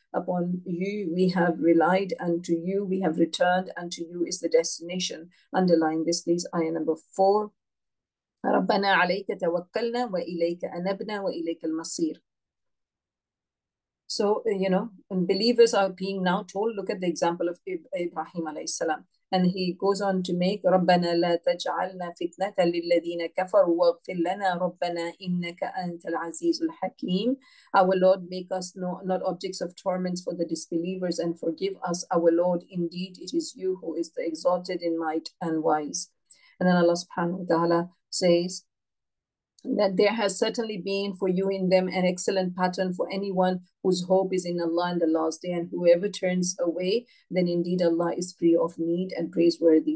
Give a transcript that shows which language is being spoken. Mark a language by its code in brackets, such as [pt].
[en] Upon you we have relied, and to you we have returned, and to you is the destination. Underlying this, please, ayah number four. [ar] رَبَّنَا عَلَيْكَ تَوَكَّلْنَا وَإِلَيْكَ أَنَبْنَا وَإِلَيْكَ الْمَصِيرِ. [en] So, you know, and believers are being now told, look at the example of Ibrahim alayhi salam. And he goes on to make, [ar] رَبَّنَا لَا تَجْعَلْنَا فِتْنَةً لِلَّذِينَ كَفَرُوا وَغْفِرْ لَنَا رَبَّنَا إِنَّكَ أَنْتَ الْعَزِيزُ الْحَكِيمُ. [en] Our Lord, make us not objects of torments for the disbelievers, and forgive us, our Lord. Indeed, it is you who is the exalted in might and wise. And then Allah subhanahu wa ta'ala says, that there has certainly been for you in them an excellent pattern for anyone whose hope is in Allah in the last day, and whoever turns away, then indeed Allah is free of need and praiseworthy.